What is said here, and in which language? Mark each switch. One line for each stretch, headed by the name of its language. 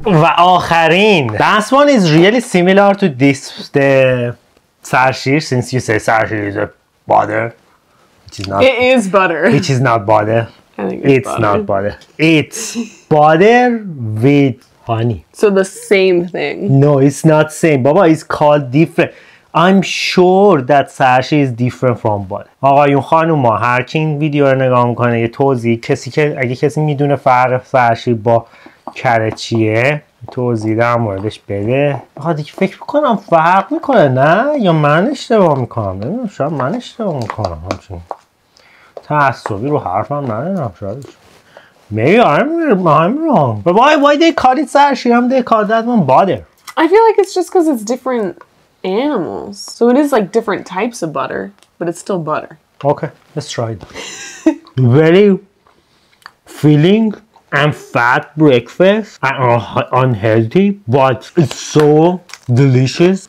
English: That one is really similar to this, the sarshir, since you say sarshir is a butter. Which is not, it is butter. Which is not butter. I think it's not butter. It's butter with honey. So the same thing. No, it's not same. Baba, it's called different. I'm sure that sarshir is different from butter.
Persian: آقایون خانوما هر کی این ویدیو رو نگاه میکنه یه توضیح کسی که اگه کسی میدونه فرق سرشیر با کره چیه توضیح در موردش بده. بخواد اینکه فکر کنم فرق میکنه نه یا من اشتباه میکنم نمیدونم شاید من اشتباه میکنم همچنین تعصبی رو حرفم ندارم شاید
English: Maybe I'm wrong. But why they call it sarshir? They call that one butter. I feel like it's just because it's different animals. So it is like different types of butter, but it's still butter. Okay, let's try it. Very filling and fat breakfast. I unhealthy, but it's so delicious.